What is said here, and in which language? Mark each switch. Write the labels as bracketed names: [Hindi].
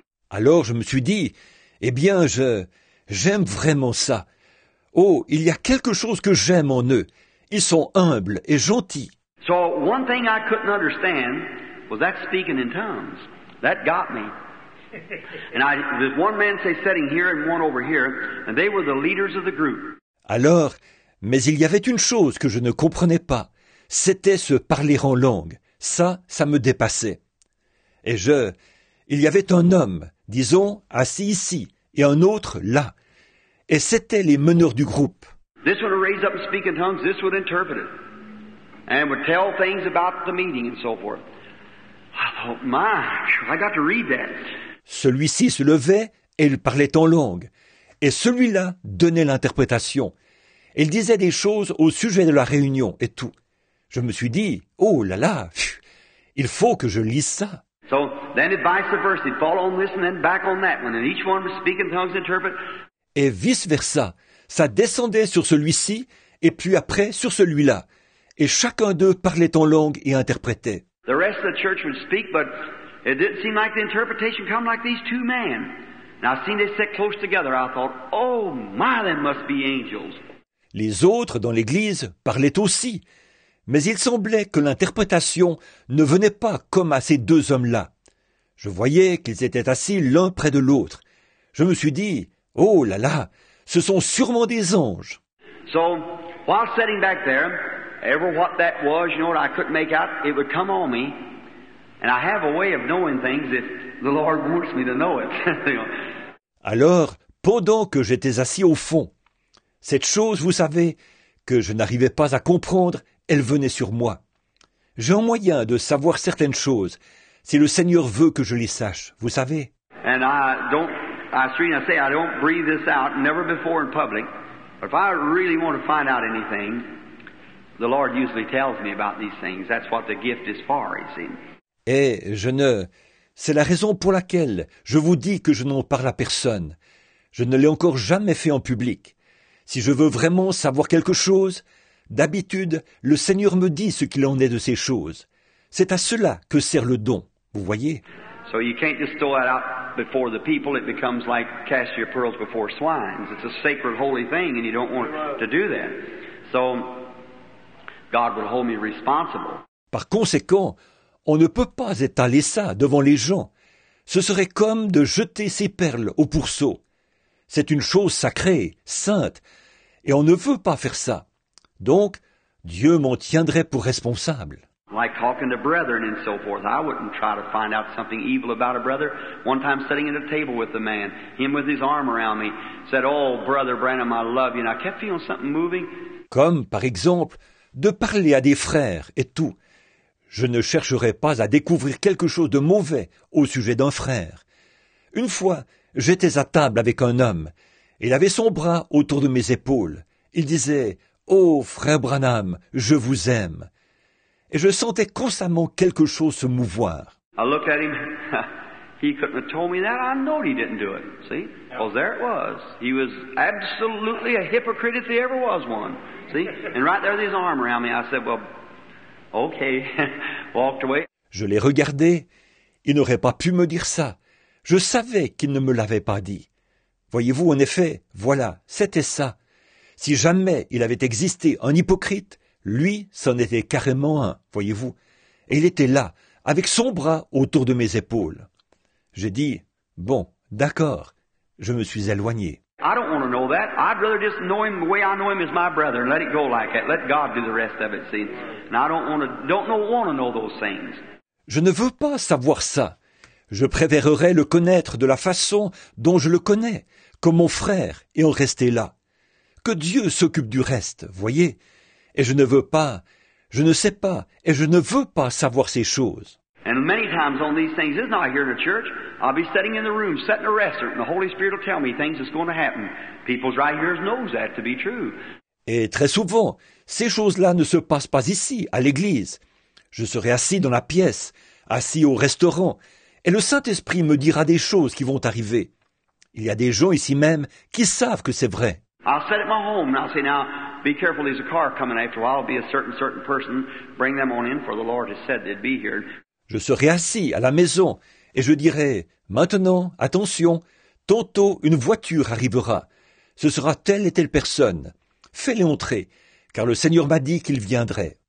[French] Alors je me suis dit, eh bien, j'aime vraiment ça. Oh, il y a quelque chose que j'aime en eux. Ils sont humbles et gentils. [English] So one thing I couldn't understand was that speaking in tongues. That got me. And there's one man say sitting here and one over here, and they were the leaders of the group. [French] Alors, mais il y avait une chose que je ne comprenais pas. C'était ce parler en langue. Ça me dépassait. Il y avait un homme, disons, assis ici, et un autre là. Et c'était les meneurs du groupe. [English] This would raise up and speak in tongues, this would interpret it. And would tell things about the meeting and so forth. I thought, my, I got to read that. [French] Celui-ci se levait et il parlait en langue. Et celui-là donnait l'interprétation. Il disait des choses au sujet de la réunion et tout. Je me suis dit, oh là là, il faut que je lise ça. [English] So then it vice versa, he'd fall on this and then back on that one. And each one would speak in tongues, interpret. [French] Et vice-versa, ça descendait sur celui-ci, et puis après sur celui-là. Et chacun d'eux parlait en langue et interprétait. [English] The rest of the church would speak, but it didn't seem like the interpretation come like these two men. And I seen they sit close together, I thought, oh my, they must be angels. [French] Les autres dans l'église parlaient aussi, mais il semblait que l'interprétation ne venait pas comme à ces deux hommes-là. Je voyais qu'ils étaient assis l'un près de l'autre. Je me suis dit, « Oh là là, ce sont sûrement des anges !» [English] So, while sitting back there, ever what that was, you know what I couldn't make out, it would come on me, and I have a way of knowing things if the Lord wants me to know it. [French] Alors, pendant que j'étais assis au fond, cette chose, vous savez, que je n'arrivais pas à comprendre, elle venait sur moi. J'ai un moyen de savoir certaines choses, si le Seigneur veut que je les sache, vous savez. [English] And I don't breathe this out, never before in public. But if I really want to find out anything, the Lord usually tells me about these things. That's what the gift is for, you see. [French] Et je ne... C'est la raison pour laquelle je vous dis que je n'en parle à personne. Je ne l'ai encore jamais fait en public. Si je veux vraiment savoir quelque chose, d'habitude, le Seigneur me dit ce qu'il en est de ces choses. C'est à cela que sert le don, vous voyez. [English] So you can't just throw it out before the people. It becomes like cast your pearls before swines. It's a sacred, holy thing, and you don't want to do that. So God will hold me responsible. [French] Par conséquent, on ne peut pas étaler ça devant les gens. Ce serait comme de jeter ses perles au pourceau. C'est une chose sacrée, sainte, et on ne veut pas faire ça. Donc, Dieu m'en tiendrait pour responsable. [English] Like talking to brethren and so forth. I wouldn't try to find out something evil about a brother. One time sitting at a table with a man, him with his arm around me, said, oh, brother Branham, I love you. And I kept feeling something moving. [French] Comme, par exemple, de parler à des frères et tout. Je ne chercherai pas à découvrir quelque chose de mauvais au sujet d'un frère. Une fois, j'étais à table avec un homme. Il avait son bras autour de mes épaules. Il disait, oh, frère Branham, je vous aime. Et je sentais constamment quelque chose se mouvoir. [English] I looked at him. He couldn't have told me that. I know he didn't do it. See? Well, there it was. He was absolutely a hypocrite if there ever was one. See? And right there, his arm around me. I said, well, okay. Walked away. [French] Je l'ai regardé. Il n'aurait pas pu me dire ça. Je savais qu'il ne me l'avait pas dit. Voyez-vous, en effet, voilà, c'était ça. Si jamais il avait existé un hypocrite, lui, c'en était carrément un, voyez-vous. Et il était là, avec son bras autour de mes épaules. J'ai dit, bon, d'accord, je me suis éloigné. [English] I don't want to know that. I'd rather just know him the way I know him as my brother and let it go like that. Let God do the rest of it, see. And I don't want to know those things. [French] Je ne veux pas savoir ça. Je préférerais le connaître de la façon dont je le connais, comme mon frère, et en rester là. Que Dieu s'occupe du reste, voyez. Et je ne veux pas, je ne sais pas, et je ne veux pas savoir ces choses. [English] And many times on these things, it's not here in the church. I'll be sitting in the room, sitting in a restaurant, and the Holy Spirit will tell me things that's going to happen. People's right here knows that to be true. [French] Et très souvent, ces choses-là ne se passent pas ici, à l'église. Je serai assis dans la pièce, assis au restaurant, et le Saint-Esprit me dira des choses qui vont arriver. Il y a des gens ici même qui savent que c'est vrai. [English] I'll sit at my home and I'll say, now, be careful, there's a car coming after a while. It'll be a certain person. Bring them on in, for the Lord has said they'd be here. [French] Je serai assis à la maison et je dirai, maintenant, attention, tantôt une voiture arrivera. Ce sera telle et telle personne. Fais-les entrer, car le Seigneur m'a dit qu'il viendrait.